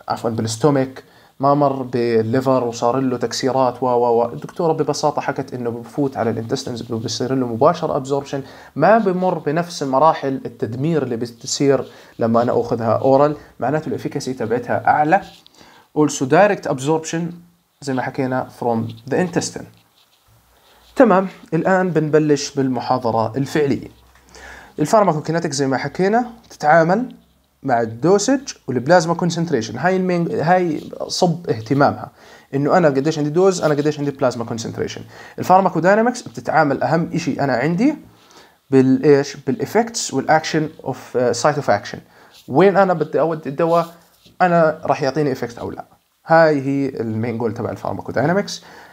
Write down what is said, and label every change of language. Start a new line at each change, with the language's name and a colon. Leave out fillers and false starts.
Arabic: بالستومك ما مر بالليفر وصار له تكسيرات الدكتورة ببساطة حكت انه بفوت على الانتستنز وبصير له مباشر ابزوربشن، ما بمر بنفس مراحل التدمير اللي بتصير لما انا اخذها اورال، معناته الافيكاسي تبعتها اعلى.
English: also direct absorption
Arabic: زي ما حكينا
English: from the intestine.
Arabic: تمام، الان بنبلش بالمحاضرة الفعلية. الفارماكوكيناتيك زي ما حكينا تتعامل مع الدوسج والبلازما كونسنتريشن، هاي صب اهتمامها انه انا قديش عندي دوز انا قديش عندي بلازما كونسنتريشن. الفارماكودينامكس بتتعامل اهم شيء انا عندي بالايش بالافكتس والاكشن اوف سايت اوف اكشن، وين انا بدي اودي الدواء انا راح يعطيني افكت او لا، هاي هي المين جول تبع الفارماكودينامكس.